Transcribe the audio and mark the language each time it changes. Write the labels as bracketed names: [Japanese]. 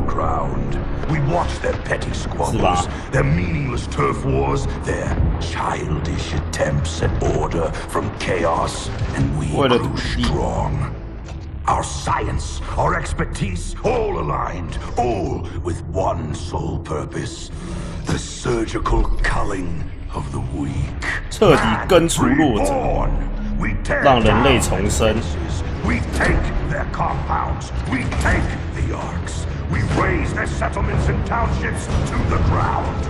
[English] We watched their petty squabbles, their meaningless turf wars, their childish attempts at order from chaos, and we grew strong. Our science, our expertise, all aligned, all with one sole purpose: the surgical culling. Of the weak, [Chinese] 彻底根除弱者，让人类重生。 [English] We take their compounds, we take the arcs, we raise their settlements and townships to the ground.